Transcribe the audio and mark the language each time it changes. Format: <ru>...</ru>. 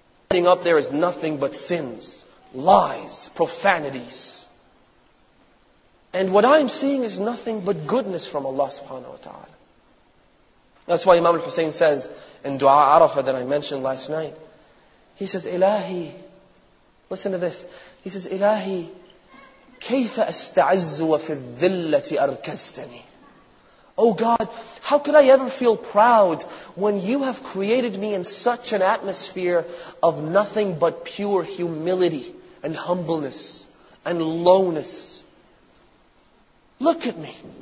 <en>Sitting up there is nothing but sins, lies, profanities. And what I'm seeing is nothing but goodness from Allah subhanahu wa ta'ala. That's why Imam al-Hussein says in Dua Arafah that I mentioned last night, he says, Ilahi, Listen to this. He says,</en> <ar>إِلَهِ كَيْفَ أَسْتَعِزُّ وَفِي الذِّلَّةِ أَرْكَزْتَنِي.</ar> <en>Oh God, how could I ever feel proud when you have created me in such an atmosphere of nothing but pure humility and humbleness and lowness? Look at me.</en>